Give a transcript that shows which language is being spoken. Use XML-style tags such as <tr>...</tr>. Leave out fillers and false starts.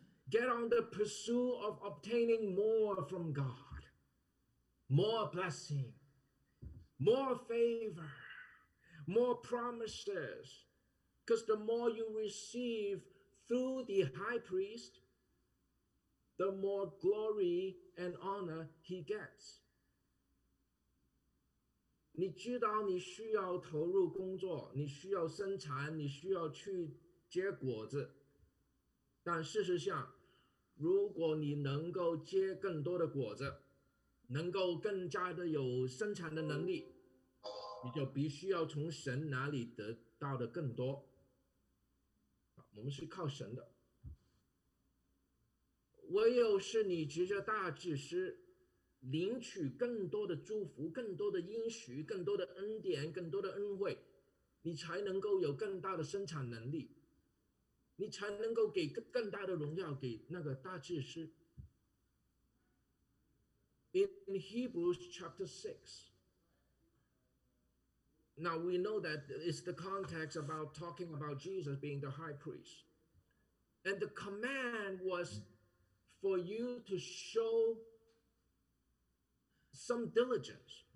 <en>Get on the pursuit of obtaining more from God, more blessing, more favor, more promises. Because the more you receive through the high priest, the more glory and honor he gets.</en> <zh>你知道你需要投入工作，你需要生产，你需要去结果子。但事实上，如果你能够结更多的果子，能够更加的有生产的能力，你就必须要从神那里得到的更多。我们是靠神的，唯有是你执着大祭司，领取更多的祝福、更多的应许、更多的恩典、更多的恩惠，你才能够有更大的生产能力，你才能够给更大的荣耀给那个大祭司。</zh> <en>In Hebrews chapter 6, now we know that it's the context about talking about Jesus being the high priest. And the command was for you to show some diligence.</en>